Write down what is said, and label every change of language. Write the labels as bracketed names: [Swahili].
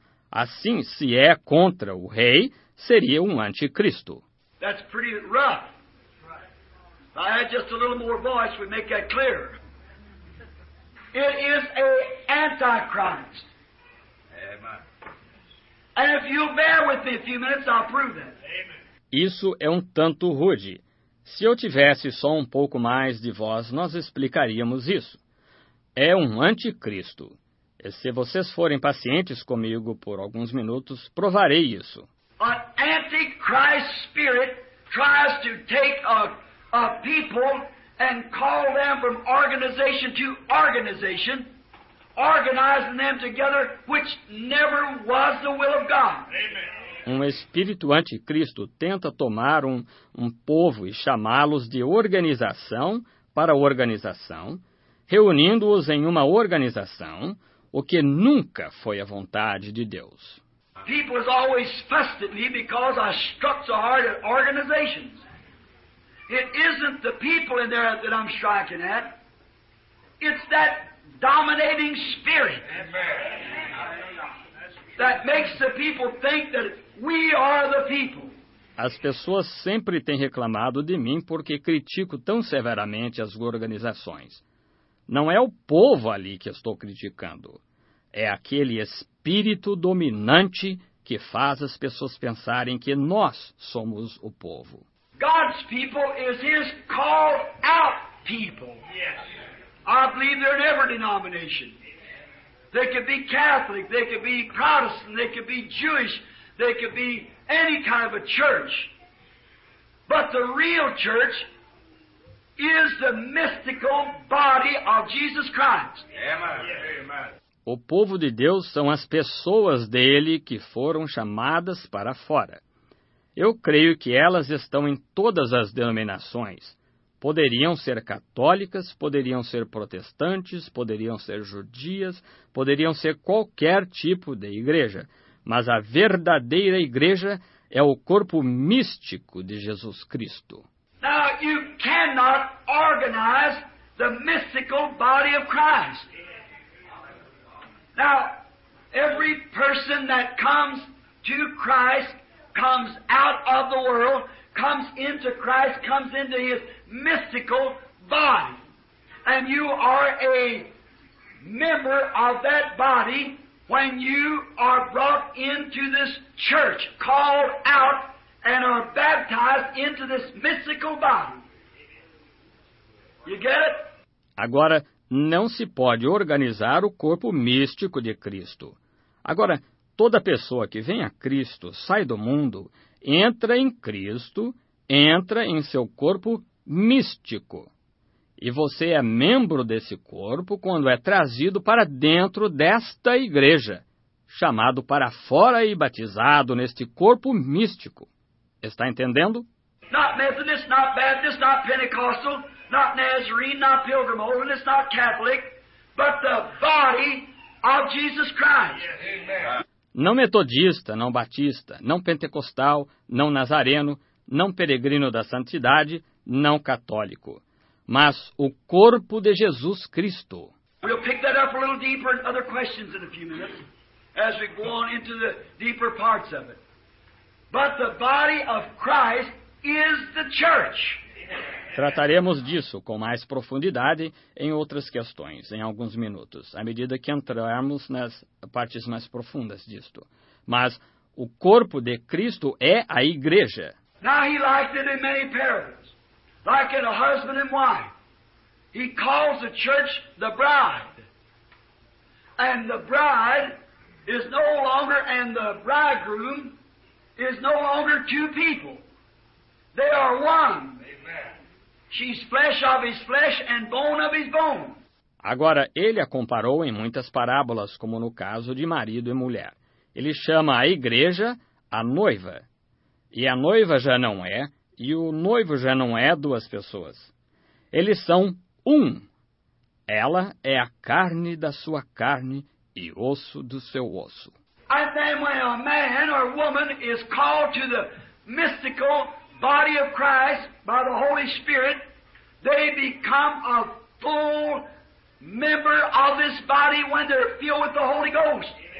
[Portuguese] Assim, se é contra o rei, seria anticristo. [English] That's pretty rough. If I had just a little more voice, we'd make that clear. It is a antichrist. Amen. And if you'll bear with me a few minutes, I'll prove that. Amen. [Portuguese] Isso é tanto rude. Se eu tivesse só pouco mais de voz, nós explicaríamos isso. É anticristo. E se vocês forem pacientes comigo por alguns minutos, provarei isso. [English] An antichrist spirit tries to take a people and call them from organization to organization, organizing them together, which never was the will of God. Amen. [Portuguese] Espírito anticristo tenta tomar povo e chamá-los de organização para organização, reunindo-os em uma organização, o que nunca foi a vontade de Deus. [English] People have always fussed at me because I struck so hard at organizations. It isn't the people in there that I'm striking at. It's that dominating spirit. Amen. That makes the people think that we are the people. [Portuguese] As pessoas sempre têm reclamado de mim porque critico tão severamente as organizações. Não é o povo ali que estou criticando. É aquele espírito dominante que faz as pessoas pensarem que nós somos o povo. [English] God's people is his called out people. Yes. I believe they're in every denomination. They could be Catholic, they could be Protestant, they could be Jewish, they could be any kind of a church. But the real church is the mystical body of Jesus Christ. Amen. Yes. Amen. [Portuguese] O povo de Deus são as pessoas dele que foram chamadas para fora. Eu creio que elas estão em todas as denominações. Poderiam ser católicas, poderiam ser protestantes, poderiam ser judias, poderiam ser qualquer tipo de igreja. Mas a verdadeira igreja é o corpo místico de Jesus Cristo. [English] Now you cannot organize the mystical body of Christ. Now, every person that comes to Christ comes out of the world, comes into Christ, comes into his mystical body. And you are a member of that body when you are brought into this church, called out, and are baptized into this mystical body. You get it? [Portuguese] Agora, não se pode organizar o corpo místico de Cristo. Agora, toda pessoa que vem a Cristo, sai do mundo, entra em Cristo, entra em seu corpo místico. E você é membro desse corpo quando é trazido para dentro desta igreja, chamado para fora e batizado neste corpo místico. Está entendendo? [English] Not Methodist, not Baptist, not Pentecostal, not Nazarene, not Pilgrim, Holiness, not Catholic, but the body of Jesus Christ. Amen. [Portuguese] Não metodista, não batista, não pentecostal, não nazareno, não peregrino da santidade, não católico, mas o corpo de Jesus Cristo. [English] We'll pick that up a little deeper in other questions in a few minutes as we go on into the deeper parts of it. But the body of Christ is the church. [Portuguese] Trataremos disso com mais profundidade em outras questões, em alguns minutos, à medida que entrarmos nas partes mais profundas disto. Mas o corpo de Cristo é a igreja. [English] Now he liked it in many parables, like in a husband and wife. He calls the church the bride. And the bride is no longer, and the bridegroom is no longer two people. They are one. She's flesh of his flesh and bone of his bone. [Portuguese] Agora, ele a comparou em muitas parábolas, como no caso de marido e mulher. Ele chama a igreja a noiva. E a noiva já não é, e o noivo já não é duas pessoas. Eles são um. Ela é a carne da sua carne e osso do seu osso. [English] And then when a man or woman is called to the mystical body of Christ by the Holy Spirit, they become a full member of this body when they're filled with the Holy Ghost.